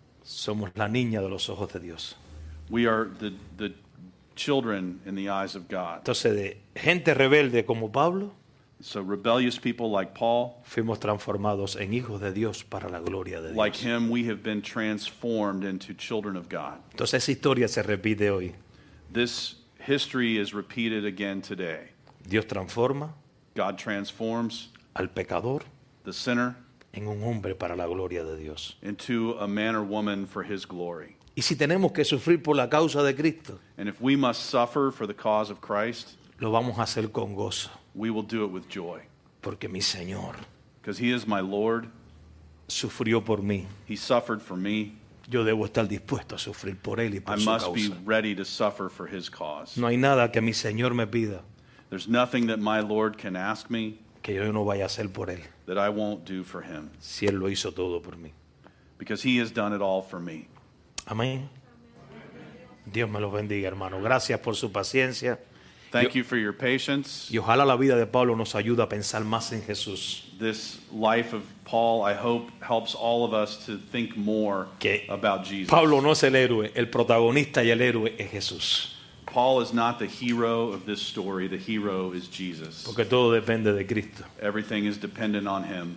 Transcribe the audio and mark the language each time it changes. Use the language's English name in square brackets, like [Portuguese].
[Spanish] Somos la niña de los ojos de Dios. [English] We are the children in the eyes of God. [Spanish] Entonces, de gente rebelde como Pablo. [English] So rebellious people like Paul. [Spanish] Fuimos transformados en hijos de Dios para la gloria de Dios. [English] Like him, we have been transformed into children of God. [Spanish] Entonces, esa historia se repite hoy. [English] This history is repeated again today. [Spanish] Dios transforma. [English] God transforms [Spanish] al pecador, [English] the sinner, [Spanish] en un hombre para la gloria de Dios, [English] into a man or woman for his glory. [Spanish] Y si tenemos que sufrir por la causa de Cristo, [English] and if we must suffer for the cause of Christ, [Spanish] lo vamos a hacer con gozo. [English] We will do it with joy. [Spanish] Porque mi Señor, [English] because he is my Lord, [Spanish] sufrió por mí. [English] He suffered for me. [Spanish] Yo debo estar dispuesto a sufrir por él y por su causa. [English] I must be ready to suffer for his cause. [Spanish] No hay nada que mi Señor me pida. [English] There's nothing that my Lord can ask me [Spanish] que yo no vaya a hacer por él, [English] that I won't do for him. [Spanish] Si él lo hizo todo por mí. [English] Because he has done it all for me. [Spanish] Amén. Dios me lo bendiga, hermano. Gracias por su paciencia. [English] Thank you for your patience. [Spanish] Y ojalá la vida de Pablo nos ayude a pensar más en Jesús. [English] This life of Paul, I hope, helps all of us to think more [Spanish] que [English] about Jesus. [Spanish] Pablo no es el héroe. El protagonista y el héroe es Jesús. [English] Paul is not the hero of this story. The hero is Jesus. [Spanish] Porque todo depende de Cristo. [English] Everything is dependent on him.